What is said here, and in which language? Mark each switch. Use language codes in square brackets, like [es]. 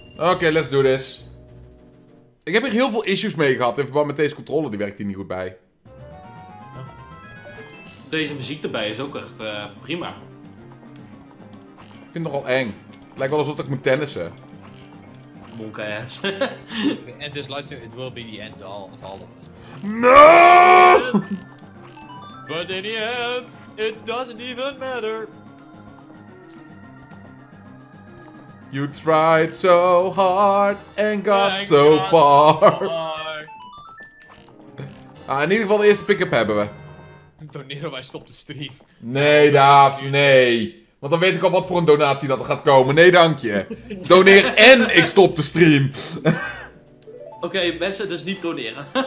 [en] Oké, let's do this. [nl] Ik heb hier heel veel issues mee gehad in verband met deze controle, die werkt hier niet goed bij. Deze muziek erbij is ook echt prima. Ik vind het nogal eng. Het lijkt wel alsof ik moet tennissen. [en] Monkey ass. And this live stream, it will be the end of all of us. No! But in the end, it doesn't even matter. You tried so hard and got so far. [nl] In ieder geval de eerste pick-up hebben we. Doneren wij stop de stream. Nee, Daaf, nee. Want dan weet ik al wat voor een donatie dat er gaat komen. Nee, dank je. Doneer en ik stop de stream. Oké, mensen, dus niet doneren.